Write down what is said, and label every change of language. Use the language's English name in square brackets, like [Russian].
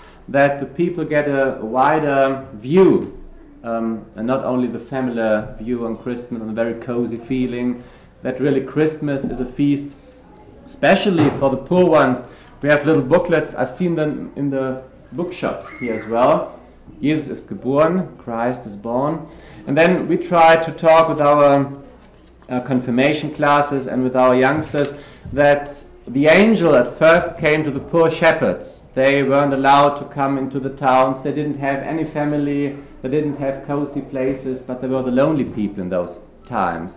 [English] That the people get a wider view, and not only the familiar view on Christmas and a very cozy feeling, that really Christmas is a feast, especially for the poor ones. We have little booklets, I've seen them in the bookshop here as well. [German] Jesus ist geboren, [English] Christ is born. And then we try to talk with our confirmation classes and with our youngsters, that the angel at first came to the poor shepherds. They weren't allowed to come into the towns. They didn't have any family. They didn't have cozy places, but they were the lonely people in those times.